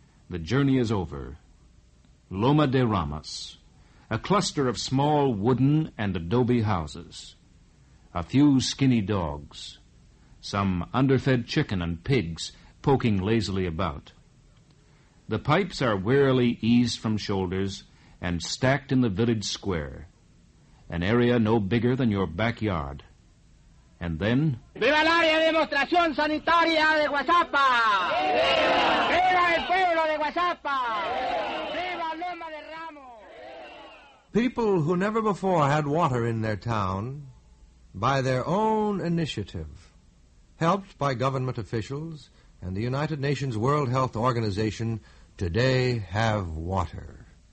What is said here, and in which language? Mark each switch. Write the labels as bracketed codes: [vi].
[en] The journey is over. Loma de Ramos, a cluster of small wooden and adobe houses, a few skinny dogs, some underfed chicken and pigs poking lazily about. The pipes are wearily eased from shoulders and stacked in the village square, an area no bigger than your backyard. And then... [es] ¡Viva el área de demostración sanitaria de Guazapa! ¡Viva! ¡Viva el pueblo de Guazapa! ¡Viva Loma de Ramos! [en] People who never before had water in their town, by their own initiative, helped by government officials and the United Nations World Health Organization, today have water.